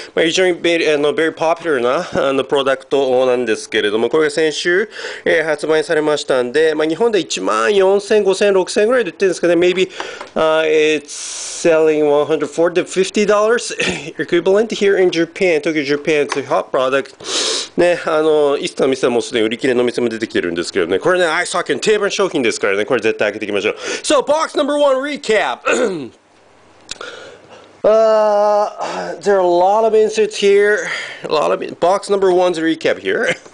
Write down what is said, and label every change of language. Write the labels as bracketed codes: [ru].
[ja] まあ、非常にベリーポピュラーな、プロダクトなんですけれども、これが先週、発売されましたんで、まあ、日本で1万4000、5000、6000ぐらいで売ってるんですかね。 [en] Maybe, it's selling $140 to $50 equivalent here in Japan, Tokyo, Japan. It's a hot product. [ja] ね、イースターの店はもうすでに売り切れの店も出てきてるんですけどね。これね、アイスハッキーの定番商品ですからね、これ絶対開けていきましょう。 [en] So, box number one recap. there are a lot of inserts here. Box number one's recap here.